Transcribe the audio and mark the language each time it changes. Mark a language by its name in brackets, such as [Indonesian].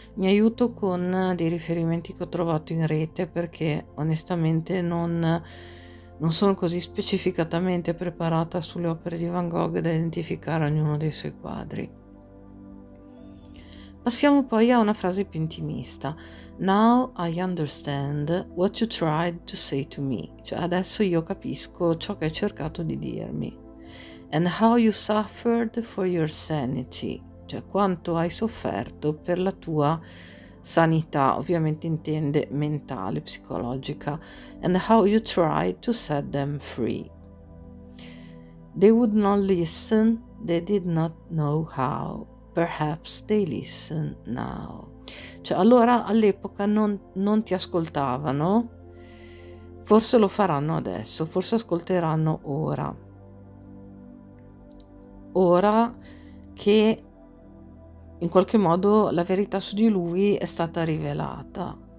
[Italian] Mi aiuto con dei riferimenti che ho trovato in rete, perché onestamente non sono così specificatamente preparata sulle opere di Van Gogh da identificare ognuno dei suoi quadri. Passiamo poi a una frase più intimista. [English] Now I understand what you tried to say to me. [Italian] Cioè, adesso io capisco ciò che hai cercato di dirmi. [English] And how you suffered for your sanity. [Italian] Cioè, quanto hai sofferto per la tua sanità, ovviamente intende mentale, psicologica. [English] And how you tried to set them free. They would not listen, they did not know how. Perhaps they listen now. [Italian] Cioè, allora all'epoca non ti ascoltavano, forse lo faranno adesso, forse ascolteranno ora. Ora che in qualche modo la verità su di lui è stata rivelata.